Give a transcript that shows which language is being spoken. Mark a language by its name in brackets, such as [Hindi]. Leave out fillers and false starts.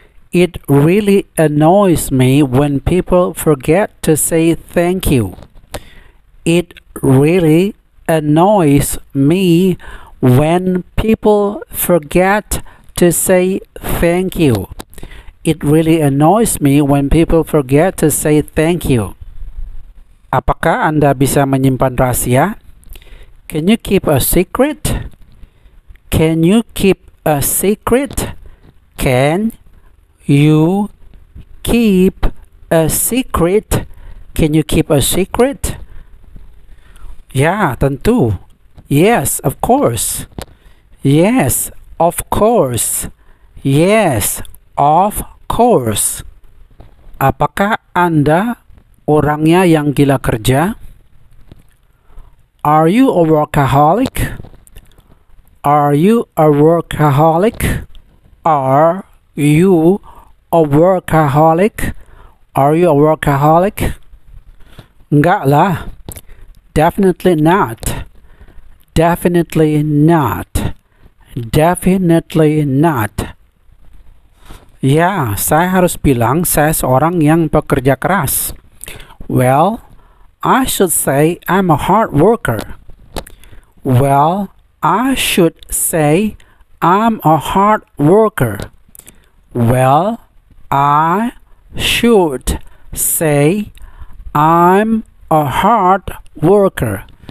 [English] It really annoys me when people forget to say thank you. It really annoys me when people forget to say thank you. It really annoys me when people forget to say thank you. [Indonesian] Apakah Anda bisa menyimpan rahasia? [English] Can you keep a secret? Can you keep a secret? Can you keep a secret? Can you keep a secret? [Indonesian] Ya, tentu. [English] Yes, of course. Yes, of course. Yes, of course. [Indonesian] Apakah Anda orangnya yang gila kerja? [English] Are you a workaholic? Are you a workaholic? Are you a workaholic? Are you a workaholic? [Indonesian] Enggak lah. [English] Definitely not. Definitely not. Definitely not. [Indonesian] Ya, saya harus bilang saya seorang yang pekerja keras. [English] Well, I should say I'm a hard worker. Well, I should say I'm a hard worker. Well, I should say I'm a hard worker.